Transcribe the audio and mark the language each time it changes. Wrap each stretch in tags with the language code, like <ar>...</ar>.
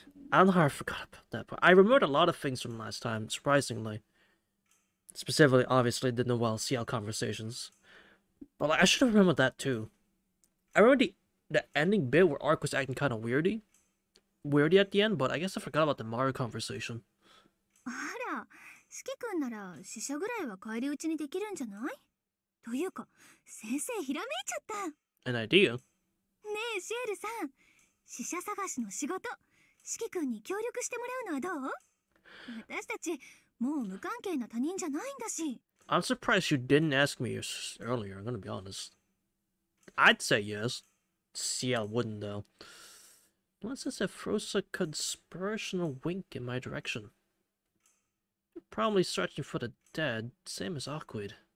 <en>I don't know how I forgot about that part. I remembered a lot of things from last time, surprisingly. Specifically, obviously, the Noelle CL conversations. But like, I should have remembered that too. I remember the ending bit where Ark was acting kind of weirdy at the end, but I guess I forgot about the Mario conversation.</en> <ja>あら、しき君なら死者ぐらいは帰り討ちにできるんじゃない?というか、先生ひらめいちゃった。</ja> <en>An idea.</en> <ja>ねえシエルさん、死者探しの仕事、シキ君に協力してもらうのはどう？私たちもう無関係な他人じゃないんだし。</ja> <en>I'm surprised you didn't ask me earlier, I'm gonna be honest. I'd say yes. See, I wouldn't though. Unless it's a Frosa conspirational wink in my direction. You're probably searching for the dead, same as Awkward.</en>